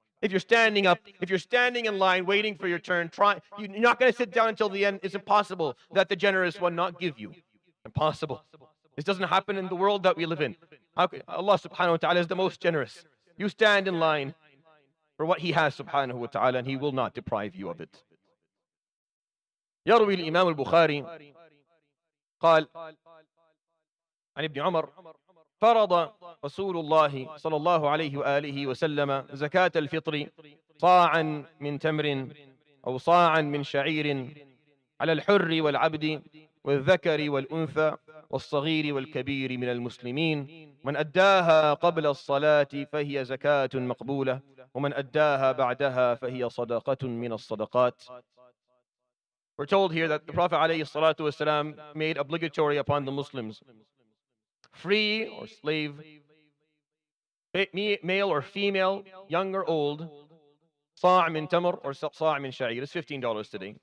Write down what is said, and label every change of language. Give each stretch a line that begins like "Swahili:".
English: If you're standing up, if you're standing in line waiting for your turn, you're not going to sit down until the end. It's impossible that the generous one not give you. Impossible. This doesn't happen in the world that we live in. Allah subhanahu wa ta'ala is the most generous. You stand in line for what He has subhanahu wa ta'ala, and He will not deprive you of it.
Arabic: Yarwi al-Imam al-Bukhari قال عن ابن عمر فرض رسول الله صلى الله عليه وآله وسلم زكاة الفطر صاعا من تمر أو صاعا من شعير على الحر والعبد والذكر والأنثى والصغير والكبير من المسلمين من أداها قبل الصلاة فهي زكاة مقبولة ومن أداها بعدها فهي صدقة من الصدقات.
English: We're told here that the Prophet ﷺ made obligatory upon the Muslims, free or slave, male or female, young or old,
Arabic: sa' min tamr
English: or
Arabic: sa' min sha'ir.
English: It's $15 today.